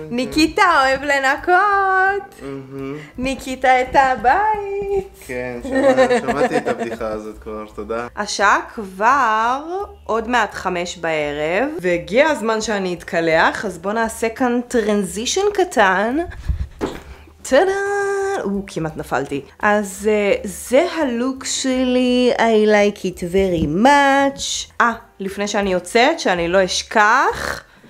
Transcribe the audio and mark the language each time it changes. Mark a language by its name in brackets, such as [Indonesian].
[Hebrew] ניקיתה אוהב לנקות. ניקיתה את הבית. כן, שמעתי את הבדיחה הזאת כבר, תודה. השעה כבר עוד מעט 5 בערב, והגיע הזמן שאני אתקלח, אז בוא נעשה כאן טרנזישן קטן. טאדה! או, כמעט נפלתי. אז זה הלוק שלי, [English] I like it very much. [Hebrew] לפני שאני יוצאת, שאני לא אשכח.